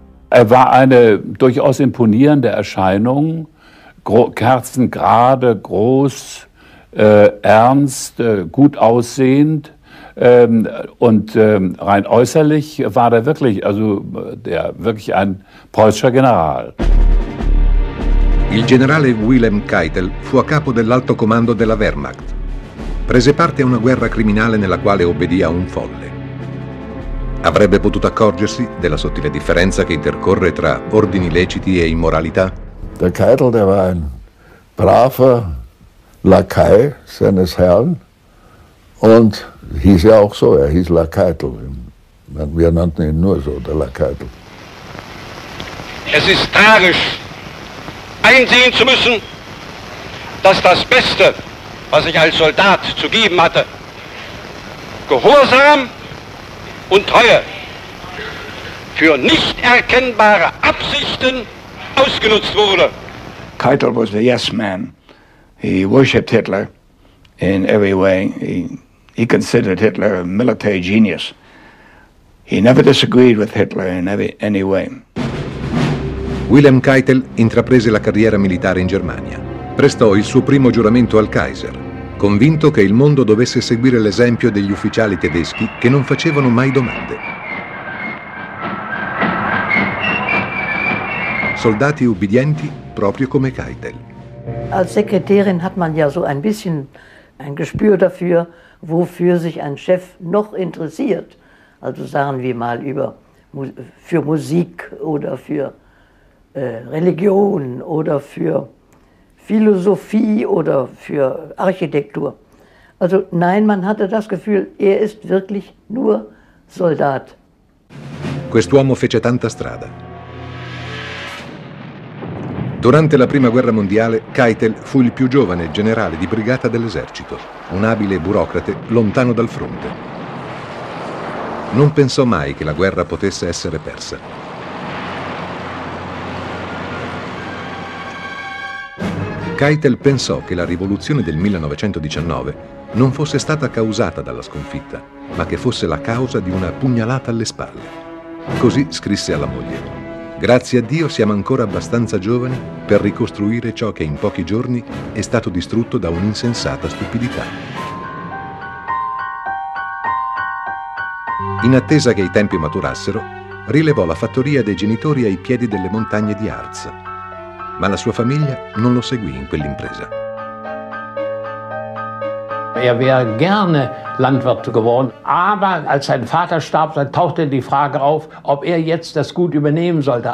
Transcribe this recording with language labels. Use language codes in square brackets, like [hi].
[de] Er war eine durchaus imponierende Erscheinung, kerzengerade, groß, ernst, gut aussehend, und rein äußerlich war er wirklich, also der wirklich ein preußischer General. [it] Il generale Wilhelm Keitel fu a capo dell'alto comando della Wehrmacht. Prese parte a una guerra criminale nella quale obbedì a un folle. Avrebbe potuto accorgersi della sottile differenza che intercorre tra ordini leciti e immoralità? [de] Der Keitel, der war ein braver Lakai seines Herrn und hieß ja auch so, er hieß Lakaitel. Wir nannten ihn nur so, der Lakaitel. Es ist tragisch, einsehen zu müssen, dass das Beste, was ich als Soldat zu geben hatte, Gehorsam und Treue für nicht erkennbare Absichten ausgenutzt wurde. [en] Keitel was a yes man. He worshipped Hitler in every way. He considered Hitler a military genius. He never disagreed with Hitler in any way. [it] Wilhelm Keitel intraprese la carriera militare in Germania. Prestò il suo primo giuramento al Kaiser, convinto che il mondo dovesse seguire l'esempio degli ufficiali tedeschi che non facevano mai domande. Soldati ubbidienti proprio come Keitel. [de] Als Sekretärin hat man ja so ein bisschen ein Gespür dafür, wofür sich ein Chef noch interessiert. Also sagen wir mal über für Musik oder für Religion oder für Philosophie oder für Architektur. Also nein, man hatte das Gefühl, er ist wirklich nur Soldat. [it] Quest'uomo fece tanta strada. Durante la Prima Guerra Mondiale, Keitel fu il più giovane generale di brigata dell'esercito, un abile burocrate lontano dal fronte. Non pensò mai che la guerra potesse essere persa. Keitel pensò che la rivoluzione del 1919 non fosse stata causata dalla sconfitta, ma che fosse la causa di una pugnalata alle spalle. Così scrisse alla moglie: «Grazie a Dio siamo ancora abbastanza giovani per ricostruire ciò che in pochi giorni è stato distrutto da un'insensata stupidità». In attesa che i tempi maturassero, rilevò la fattoria dei genitori ai piedi delle montagne di Harz. Ma la sua famiglia non lo seguì in quell'impresa. [de] Er wäre gerne Landwirt geworden, aber als sein Vater starb, dann tauchte die Frage auf, ob er jetzt das Gut übernehmen sollte.